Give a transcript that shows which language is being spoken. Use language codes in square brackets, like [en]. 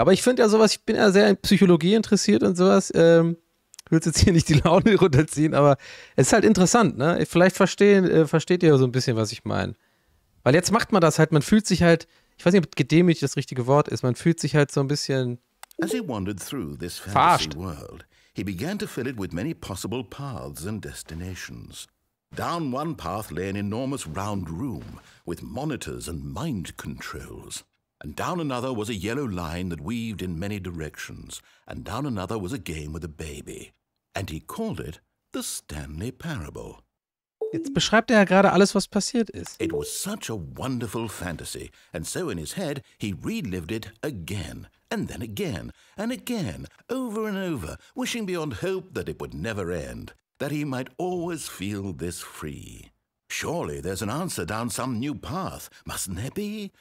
[de] Aber ich finde ja sowas, ich bin ja sehr in Psychologie interessiert und sowas. Ich will jetzt hier nicht die Laune runterziehen, aber es ist halt interessant, ne? Vielleicht versteht ihr so ein bisschen, was ich meine. Weil jetzt macht man das halt, man fühlt sich halt, ich weiß nicht, ob gedemütigt das richtige Wort ist, man fühlt sich halt so ein bisschen. [en] As he wandered through this fantasy world, he began to fill it with many possible paths and destinations. Down one path lay an enormous round room with monitors and mind controls. And down another was a yellow line that weaved in many directions. And down another was a game with a baby. And he called it the Stanley Parable. [de] Jetzt beschreibt er ja gerade alles, was passiert ist. [en] It was such a wonderful fantasy. And so in his head, he relived it again. And then again, and again, over and over, wishing beyond hope that it would never end, that he might always feel this free. Surely there's an answer down some new path, mustn't there be?